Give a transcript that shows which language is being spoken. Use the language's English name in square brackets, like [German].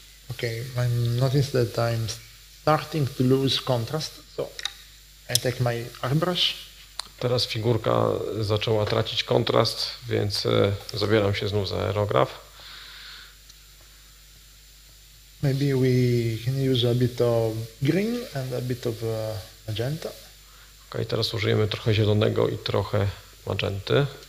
[English] Okay, I notice that I'm starting to lose contrast, so I take my airbrush. [Polish] Teraz figurka zaczęła tracić kontrast, więc zabieram się znów za aerograf. [English] Maybe we can use a bit of green and a bit of magenta. [Polish] Okay, teraz użyjemy trochę zielonego i trochę magenty.